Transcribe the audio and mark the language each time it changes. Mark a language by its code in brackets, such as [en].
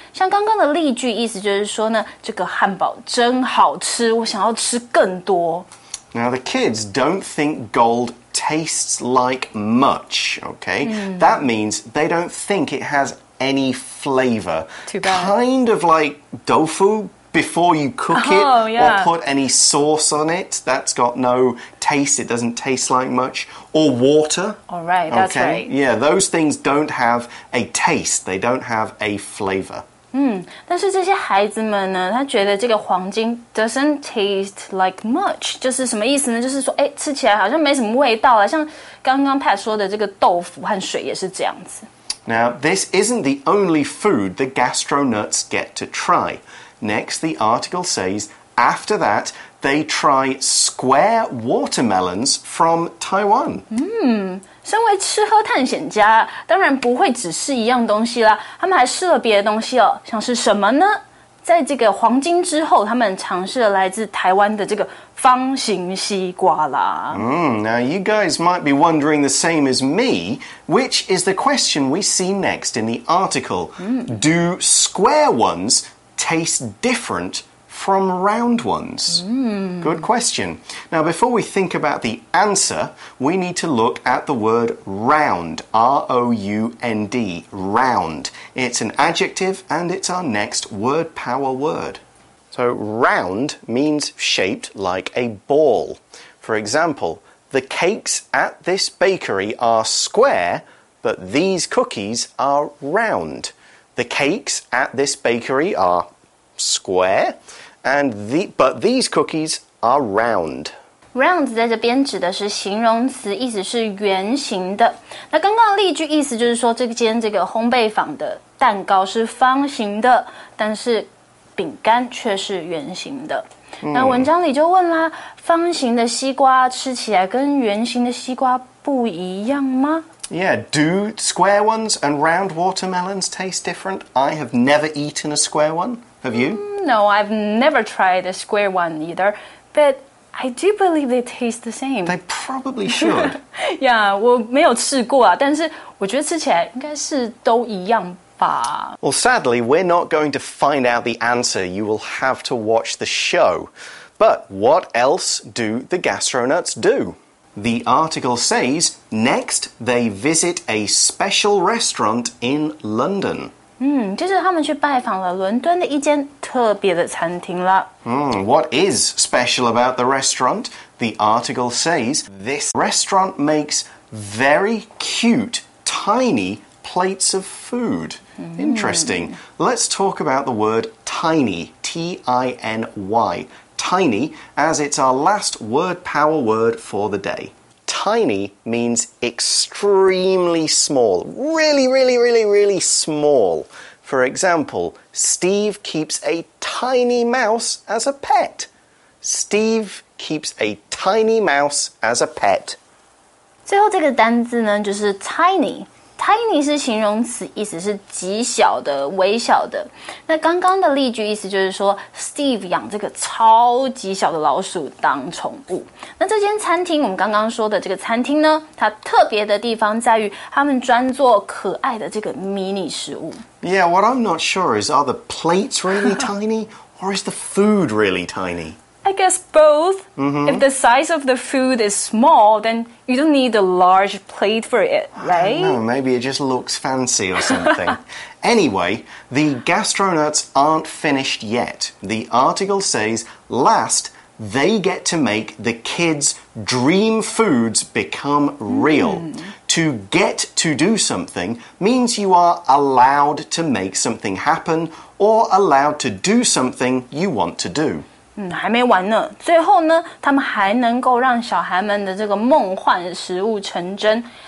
[zh] 像刚刚的例句意思就是说呢，这个汉堡真好吃，我想要吃更多。 [en] Now the kids don't think gold tastes like much, okay? That means they don't think it has any flavor. Too bad. Kind of like tofu, before you cook it、or put any sauce on it. That's got no taste. It doesn't taste like much. Or water. All right, that's、okay? right. Yeah, those things don't have a taste. They don't have a flavor. [zh] 但是这些孩子们呢他觉得这个黄金 [en] doesn't taste like much [zh] 就是什么意思呢就是说吃起来好像没什么味道了像刚刚 Pat 说的这个豆腐和水也是这样子 [en] Now this isn't the only food the gastronuts get to try Next the article says After that they try square watermelons from Taiwan、 [zh] 身为吃喝探险家当然不会只是一样东西啦他们还试了别的东西哦像是什么呢在这个黄金之后他们尝试了来自台湾的这个方形西瓜啦、 [en] Now you guys might be wondering the same as me which is the question we see next in the article、Do square ones taste different from round ones?、Good question. Now, before we think about the answer, we need to look at the word round, R-O-U-N-D, round. It's an adjective and it's our next word power word. So round means shaped like a ball. For example, the cakes at this bakery are square, but these cookies are round. The cakes at this bakery are square,But these cookies are round. [zh] Round 在这边指的是形容词，意思是圆形的。那刚刚的例句意思就是说，这间这个烘焙坊的蛋糕是方形的，但是饼干却是圆形的。那文章里就问啦，方形的西瓜吃起来跟圆形的西瓜不一样吗？ [en] Yeah, do square ones and round watermelons taste different? I have never eaten a square one. Have you? No, I've never tried a square one either. But I do believe they taste the same. They probably should. [zh] Yeah, 我没有吃过啊，但是我觉得吃起来应该是都一样吧。 [en] Well, sadly, we're not going to find out the answer. You will have to watch the show. But what else do the gastronuts do? The article says, next, they visit a special restaurant in London. [zh] 就是他们去拜访了伦敦的一间特别的餐厅了。 [en] What is special about the restaurant? The article says, this restaurant makes very cute, tiny plates of food. Interesting. Let's talk about the word tiny, T-I-N-Y. Tiny, as it's our last word power word for the day. Tiny means extremely small. Really, really, really, really small. For example, Steve keeps a tiny mouse as a pet. Steve keeps a tiny mouse as a pet. [zh] 最后这个单字呢，就是 tiny. Tiny 是形容词，意思是极小的、微小的。那刚刚的例句意思就是说 ，Steve 养这个超级小的老鼠当宠物。那这间餐厅，我们刚刚说的这个餐厅呢，它特别的地方在于，他们专做可爱的这个迷你食物。 [en] Yeah, what I'm not sure is, are the plates really tiny, or is the food really tiny? I guess both.、Mm-hmm. If the size of the food is small, then you don't need a large plate for it, right? I don't know, maybe it just looks fancy or something. Anyway, the gastronuts aren't finished yet. The article says, last, they get to make the kids' dream foods become real.、To get to do something means you are allowed to make something happen or allowed to do something you want to do. [zh] 还没完呢。最后呢，他们还能够让小孩们的这个梦幻食物成真。